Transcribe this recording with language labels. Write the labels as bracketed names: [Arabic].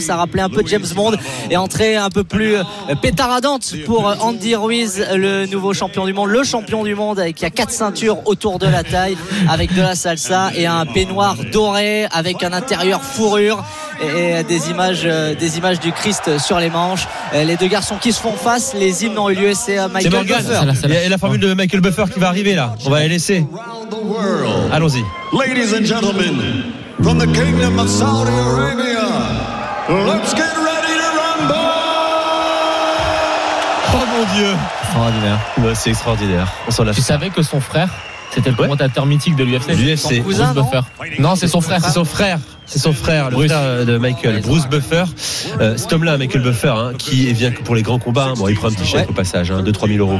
[French] Ça rappelait un peu James Bond. Et entrée un peu plus pétaradante pour Andy Ruiz, le nouveau champion du monde, le champion du monde avec, il y a quatre ceintures autour de la taille, avec de la salsa et un peignoir doré avec un intérieur fourrure et des images du Christ sur les manches. Les deux garçons qui se font face, les hymnes ont eu lieu, c'est Michael Buffer. Et la formule de Michael Buffer qui va arriver là, on va la laisser. Allons-y. [English] Ladies and gentlemen, from the kingdom of Saudi Arabia, let's get ready to rumble. [French] Oh mon Dieu. Extraordinaire. Ouais, c'est extraordinaire. On s'en lâche. Tu savais que son frère, c'était le commentateur mythique de l'UFC. L'UFC. Son cousin, Bruce Buffer. Non, c'est son frère. C'est son frère. C'est son frère, le frère de Michael, Bruce Buffer. Cet homme-là, Michael Buffer, hein, qui vient pour les grands combats. Hein. Bon, il prend un petit chèque au passage, hein, 2-3 000 euros.